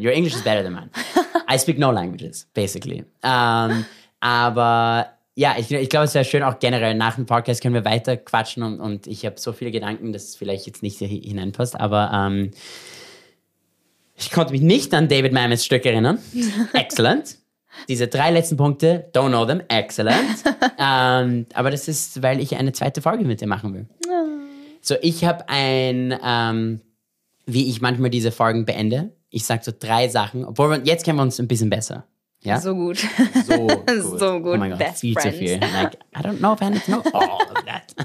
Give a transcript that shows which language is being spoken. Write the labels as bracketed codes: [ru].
[en] Your English is better than mine. I speak no languages, basically. [de] Aber ja, ich glaube, es wäre schön, auch generell nach dem Podcast können wir weiter quatschen und ich habe so viele Gedanken, dass es vielleicht jetzt nicht hineinpasst, aber ich konnte mich nicht an David Mamets Stück erinnern. Excellent. Diese 3 letzten Punkte, [en] don't know them, excellent. [de] Aber das ist, weil ich eine 2. Folge mit dir machen will. So, ich habe ein, wie ich manchmal diese Folgen beende, ich sage so 3 Sachen, obwohl jetzt kennen wir uns ein bisschen besser. Ja? So gut. So gut. So gut. Oh mein Gott, best viel [en] friends. [de] Zu viel. [en] Like, I don't know if I need to know all of that.